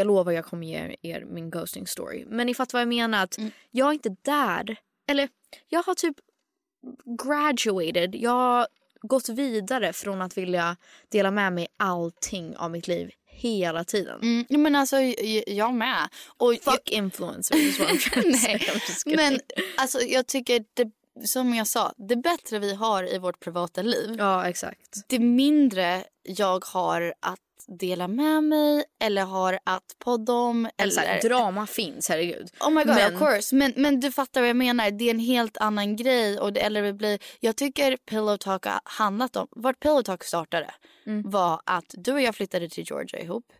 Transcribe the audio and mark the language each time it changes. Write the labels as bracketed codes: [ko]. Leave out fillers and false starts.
[sv] Jag lovar jag kommer ge er min ghosting story. Men ni fattar vad jag menar, att jag är inte där. Eller jag har typ graduated. Jag har gått vidare från att vilja dela med mig allting av mitt liv hela tiden. Mm, men alltså jag med. [en] Och fuck influencer is what I'm trying to say. [sv] Men alltså jag tycker det, som jag sa, det bättre vi har i vårt privata liv. Ja, exakt. Det mindre jag har att dela med mig eller har att podda om. Eller drama finns, herregud. [en] Oh my god, men of course. [sv] Men du fattar vad jag menar. Det är en helt annan grej. Och det, eller det blir, jag tycker Pillow Talk har handlat om, vart Pillow Talk startade var att du och jag flyttade till Georgia ihop.